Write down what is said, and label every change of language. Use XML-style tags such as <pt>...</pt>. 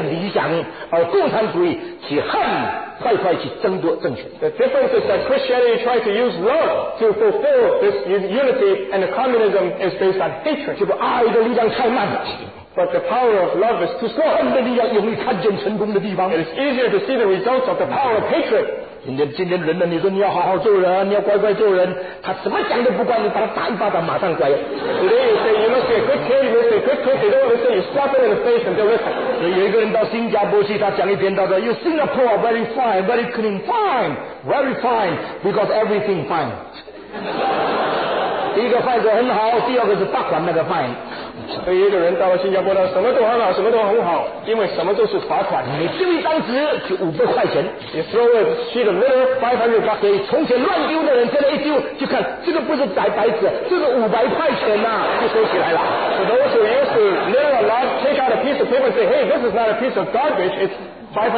<zh>不同的问题是基督教他们以爱去蔓延这个理想，而共产主义去恨。</zh> <en>The difference is that Christianity tries to use love to fulfill this unity, and the communism is based on hatred.</en> <zh>这个爱的力量太慢。</zh> <en>But the power of love is too strong. It is easier to see the results of the power of hatred.</en> <zh>今天人呢，你说你要好好做人，你要乖乖做人，他什么讲都不管，你把他打一巴掌，马上乖。</zh> <en>Today you say you must be a good kid, you must be a good kid. They don't listen. You slap them in the face and they'll listen.</en> <zh>所以有一个人到新加坡去，他讲一篇，他说</zh> <en>You Singapore very fine, very clean, fine, very fine, because everything fine.</en> <zh>第一个fine是很好，第二个是罚款那个 fine。所以一个人到了新加坡，他什么都很好，什么都很好，因为什么都是罚款。你丢一张纸就500块钱。</zh> <en>You throw a sheet of litter, 500 bucks.</en> <zh>所以从前乱丢的人，现在一丢就看，这个不是白白纸，这是500块钱呐。就收起来了。</zh> <en>So those who used to litter a lot, take out a piece of paper and say, hey, this is not a piece of garbage, it's</en>